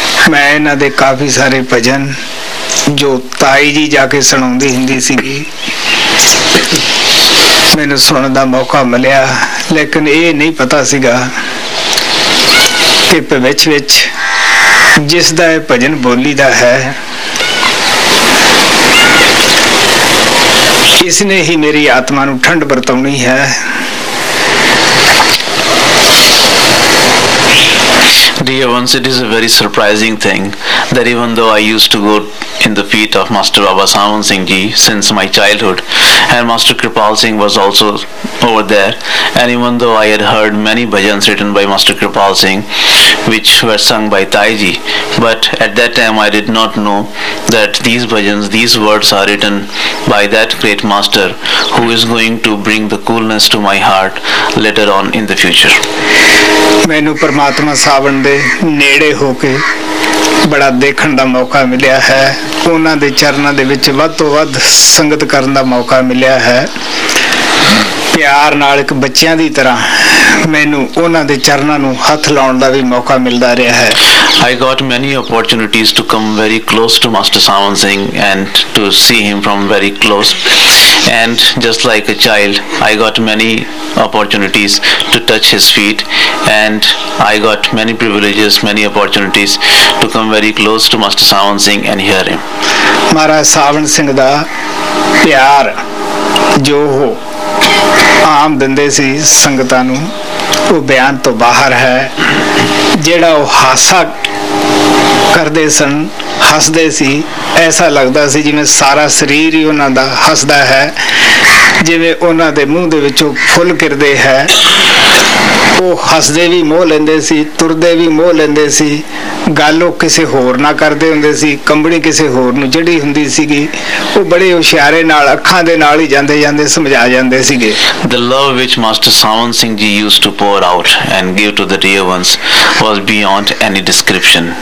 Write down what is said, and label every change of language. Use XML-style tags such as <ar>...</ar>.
<pa>ਮੈਂ ਇਹਨਾਂ ਦੇ ਕਾਫੀ ਸਾਰੇ ਭਜਨ ਜੋ ਤਾਈ ਜੀ ਜਾ ਕੇ ਸੁਣਾਉਂਦੀ ਹੁੰਦੀ ਸੀਗੀ ਮੈਨੂੰ ਸੁਣਨ ਦਾ ਮੌਕਾ ਮਿਲਿਆ ਲੇਕਿਨ ਇਹ ਨਹੀਂ ਪਤਾ ਸੀਗਾ ਕਿ ਭਵਿੱਖ ਵਿੱਚ ਜਿਸ ਦਾ ਇਹ ਭਜਨ ਬੋਲੀ ਦਾ ਹੈ ਇਸਨੇ ਹੀ ਮੇਰੀ ਆਤਮਾ ਨੂੰ ਠੰਡ ਵਰਤਾਉਣੀ ਹੈ</pa> <en>Dear ones, it is a very surprising thing that even though I used to go in the feet of Master Baba Savan Singh Ji since my childhood and Master Kripal Singh was also over there and even though I had heard many bhajans written by Master Kripal Singh which were sung by Tai Ji but at that time I did not know that these bhajans, these words are written by that great master who is going to bring the coolness to my heart later on in the future.</en> <pa>ਮੈਨੂੰ ਪਰਮਾਤਮਾ ਸਾਵਣ ਦੇ ਨੇੜੇ ਹੋ ਕੇ ਬੜਾ ਦੇਖਣ ਦਾ ਮੌਕਾ ਮਿਲਿਆ ਹੈ ਉਹਨਾਂ ਦੇ ਚਰਨਾਂ ਦੇ ਵਿੱਚ ਵੱਧ ਤੋਂ ਵੱਧ ਸੰਗਤ ਕਰਨ ਦਾ ਮੌਕਾ ਮਿਲਿਆ ਹੈ ਪਿਆਰ ਨਾਲ ਇੱਕ ਬੱਚਿਆਂ ਦੀ ਤਰ੍ਹਾਂ ਮੈਨੂੰ ਉਹਨਾਂ ਦੇ ਚਰਨਾਂ ਨੂੰ ਹੱਥ ਲਾਉਣ ਦਾ ਵੀ ਮੌਕਾ ਮਿਲਦਾ ਰਿਹਾ ਹੈ</pa> <en>I got many opportunities to come very close to Master Savan Singh and to see him from very close. And just like a child, I got many opportunities to touch his feet. And I got many privileges, many opportunities to come very close to Master Savan Singh and hear him.</en> <pa>Maharaj Savan Singh da pyar jo ho aam dinde si sangatan nu ਉਹ ਬਿਆਨ ਤੋਂ ਬਾਹਰ ਹੈ ਜਿਹੜਾ ਉਹ ਹਾਸਾ ਕਰਦੇ ਸਨ ਹੱਸਦੇ ਸੀ ਐਸਾ ਲੱਗਦਾ ਸੀ ਜਿਵੇਂ ਸਾਰਾ ਸਰੀਰ ਹੀ ਉਹਨਾਂ ਦਾ ਹੱਸਦਾ ਹੈ ਜਿਵੇਂ ਉਹਨਾਂ ਦੇ ਮੂੰਹ ਦੇ ਵਿੱਚੋਂ ਫੁੱਲ ਕਿਰਦੇ ਹੈ ਉਹ ਹੱਸਦੇ ਵੀ ਮੋਹ ਲੈਂਦੇ ਸੀ ਤੁਰਦੇ ਵੀ ਮੋਹ ਲੈਂਦੇ ਸੀ ਗੱਲ ਉਹ ਕਿਸੇ ਹੋਰ ਨਾ ਕਰਦੇ ਹੁੰਦੇ ਸੀ ਕੰਬਣੀ ਕਿਸੇ ਹੋਰ ਨੂੰ ਜਿਹੜੀ ਹੁੰਦੀ ਸੀਗੀ ਉਹ ਬੜੇ ਹੁਸ਼ਿਆਰੇ ਨਾਲ ਅੱਖਾਂ ਦੇ ਨਾਲ ਹੀ ਜਾਂਦੇ ਸਮਝਾ ਜਾਂਦੇ ਸੀਗੇ</pa> <en>The love which Master Savan Singh Ji used to pour out and give to the dear ones was beyond any description.</en>